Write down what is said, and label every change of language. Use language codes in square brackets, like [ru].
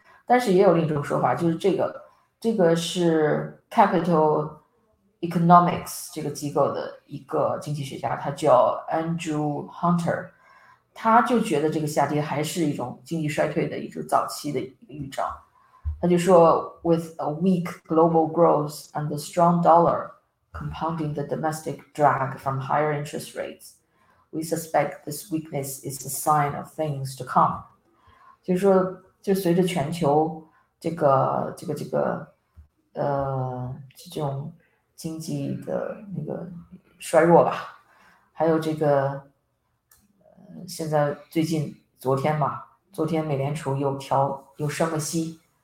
[zh] 但是也有另一种说法，就是这个是 Capital Economics 这个机构的一个经济学家，他叫 Andrew Hunter，他就觉得这个下跌还是一种经济衰退的一种早期的预兆。他就说 [en] ，with a weak global growth and the strong dollar compounding the domestic drag from higher interest rates, we suspect this weakness is a sign of things to come。 [zh] 就是说，就随着全球这个这种经济的那个衰弱吧，还有这个现在最近昨天美联储又升了息。